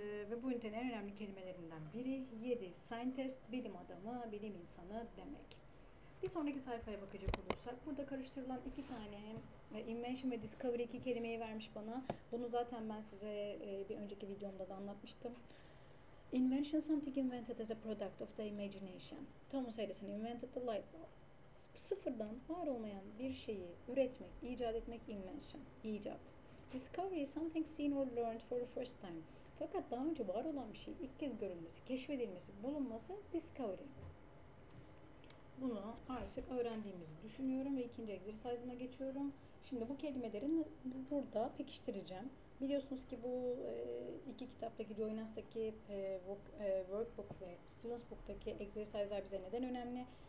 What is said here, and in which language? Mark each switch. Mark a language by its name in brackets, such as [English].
[Turkish] Ve bu ünitenin en önemli kelimelerinden biri 7 scientist, bilim adamı, bilim insanı demek. Bir sonraki sayfaya bakacak olursak burada karıştırılan iki tane invention ve discovery iki kelimeyi vermiş bana. Bunu zaten ben size bir önceki videomda da anlatmıştım. [English] Invention something invented as a product of the imagination. Thomas Edison invented the light bulb. [Turkish] Sıfırdan var olmayan bir şeyi üretmek, icat etmek invention, icat. [English] Discovery something seen or learned for the first time. [Turkish] Fakat daha önce var olan bir şey ilk kez görülmesi, keşfedilmesi, bulunması discovery. Bunu artık öğrendiğimizi düşünüyorum ve ikinci egzersizime geçiyorum. Şimdi bu kelimelerin burada pekiştireceğim. Biliyorsunuz ki bu iki kitaptaki, Joinas'taki workbook ve Students'taki egzersizler bize neden önemli?